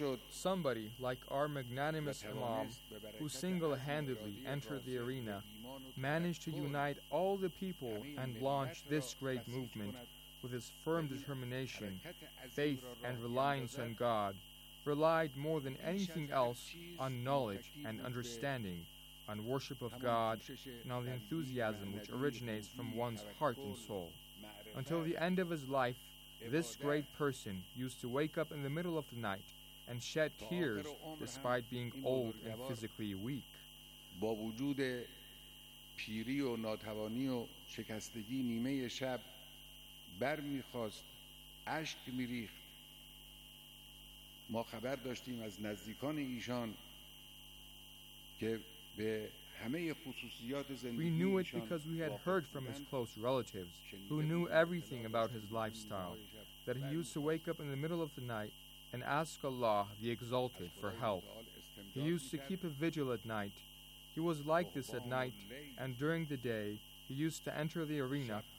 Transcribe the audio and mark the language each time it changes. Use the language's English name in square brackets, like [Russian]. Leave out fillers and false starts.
[English] Somebody like our magnanimous Imam, who single-handedly entered the arena, managed to unite all the people and launch this great movement with his firm determination, faith, and reliance on God, relied more than anything else on knowledge and understanding, on worship of God, and on the enthusiasm which originates from one's heart and soul. Until the end of his life, this great person used to wake up in the middle of the night and shed tears despite being old and physically weak. [Persian] با وجود پیری و ناتوانی و شکستگی نیمه شب بر می‌خواست اشک می‌ریخت. ما خبر داشتیم از نزدیکان ایشان که به [English] We knew it because we had heard from his close relatives, who knew everything about his lifestyle, that he used to wake up in the middle of the night and ask Allah, the Exalted, for help. He used to keep a vigil at night. He was like this at night, and during the day, he used to enter the arena